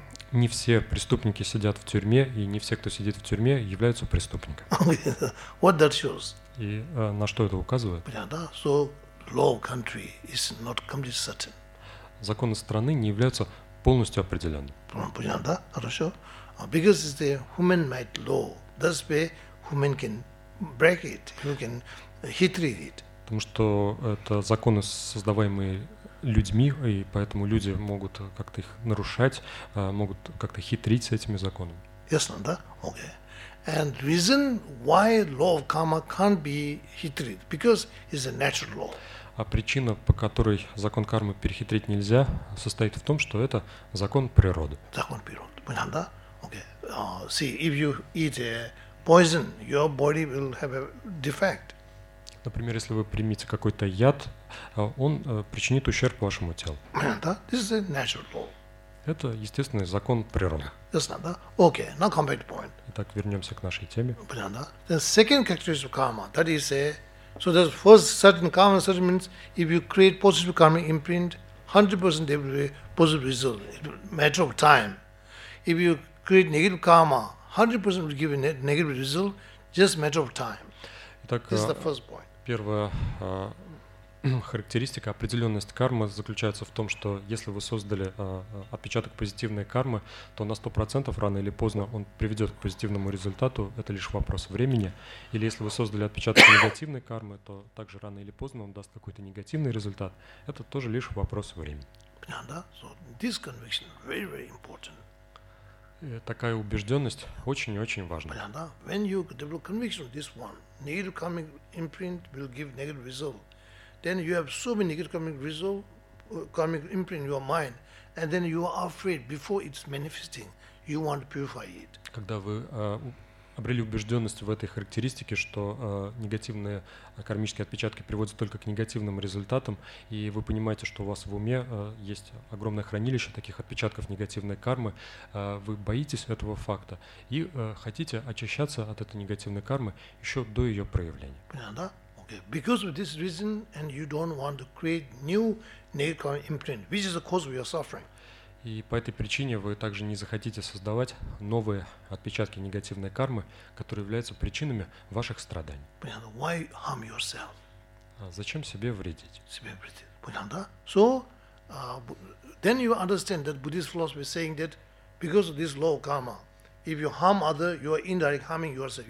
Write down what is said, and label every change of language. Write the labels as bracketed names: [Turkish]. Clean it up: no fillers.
[Russian] Не все преступники сидят в тюрьме, и не все, кто сидит в тюрьме, являются преступниками. [English] What that shows? [Russian] И на что это указывает? Да, [English] so law country is not completely certain. [Russian] Законы страны не являются полностью определенными. Понятно, да? Хорошо. [English] Because it's the human-made law. That's where human can break it. You can hit read it. [Russian] Потому что это законы, создаваемые людьми, и поэтому люди могут как-то их нарушать, могут как-то хитрить с этими законами. Ясно, да? Okay. [English] And reason why law of karma can't be hitrid, because it's a natural law. [Russian] А причина, по которой закон кармы перехитрить нельзя, состоит в том, что это закон природы. Закон природы. Понятно, да? Okay. [English] See, if you eat a poison, your body will have a defect. [Russian] Например, если вы примите какой-то яд, он причинит ущерб вашему телу. Да? [English] This is a natural law. [Russian] Это естественный закон природы. Ясно, да? [English] Okay, now come back to point. [Russian] Итак, вернемся к нашей теме. Понятно, да? [English] The second characteristic of karma, that is a... So there's first certain karma, certain means if you create positive karma imprint, 100% there will be positive result, matter of time. If you create negative karma, 100% will give you negative result, just matter of time. [Russian] Так, первая характеристика, определенность кармы заключается в том, что если вы создали отпечаток позитивной кармы, то на 100% рано или поздно он приведет к позитивному результату, это лишь вопрос времени. Или если вы создали отпечаток негативной кармы, то также рано или поздно он даст какой-то негативный результат, это тоже лишь вопрос времени. Понятно, да? [English] So this conviction very, very important. [Russian] Такая убежденность очень и очень важна. Понятно? [English] When you develop conviction of this one, negative karmic imprint will give negative result. Then you have so many negative karmic result, karmic imprint in your mind, and then you are afraid before it's manifesting. You want to purify it. [Russian] Когда вы обрели убежденность в этой характеристике, что негативные кармические отпечатки приводят только к негативным результатам, и вы понимаете, что у вас в уме есть огромное хранилище таких отпечатков негативной кармы, вы боитесь этого факта и хотите очищаться от этой негативной кармы еще до ее проявления. Понятно, да? Okay. [English] Because of this reason, and you don't want to create new negative karmic imprint, which is the cause of your suffering. [Russian] И по этой причине вы также не захотите создавать новые отпечатки негативной кармы, которые являются причинами ваших страданий. Понятно? [English] Why harm yourself? [Russian] Зачем себе вредить? Себе вредить. Понятно, да? [English] So, then you understand that Buddhist philosophy is saying that because of this law of karma, if you harm other, you are indirectly harming yourself.